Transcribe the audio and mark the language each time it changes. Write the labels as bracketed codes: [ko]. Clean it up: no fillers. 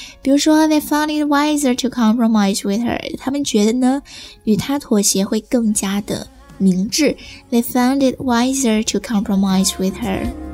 [zh] 比如说 [en] ,they found it wiser to compromise with her. [zh] 他们觉得呢与她妥协会更加的明智。 [en] They found it wiser to compromise with her.